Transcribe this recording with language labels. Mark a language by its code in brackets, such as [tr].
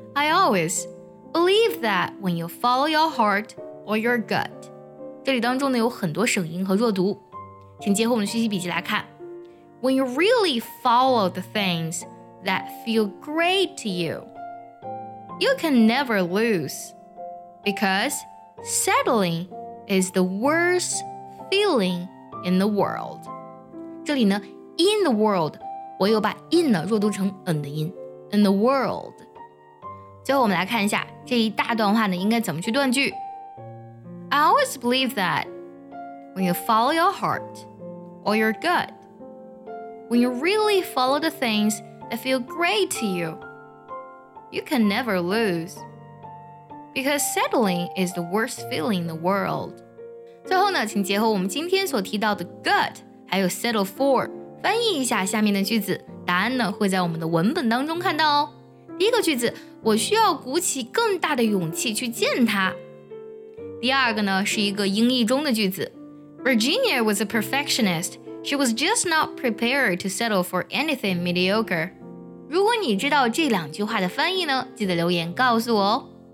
[en] I always believe that when you follow your heart or your gut. [zh] 这里当中呢，有很多省音和弱读，请结合我们的学习笔记来看。 [en] When you really follow the things that feel great to you, you can never lose, because settling is the worst feeling in the world. [zh] 这里呢 [en] in the world, [zh] 我又把 in 呢弱读成 n 的音 [en] in the world. [zh] 最后我们来看一下这一大段话呢应该怎么去断句。 [en] I always believe that when you follow your heart or your gut,When you really follow the things that feel great to you, you can never lose. Because settling is the worst feeling in the world. [zh] 最后呢，请结合我们今天所提到的 gut 还有 settle for 翻译一下下面的句子，答案呢会在我们的文本当中看到哦。第一个句子，我需要鼓起更大的勇气去见他。第二个呢，是一个英译中的句子， [en] Virginia was a perfectionist. She was just not prepared to settle for anything mediocre. [zh] 如果你知道这两句话的翻译呢，记得留言告诉我哦。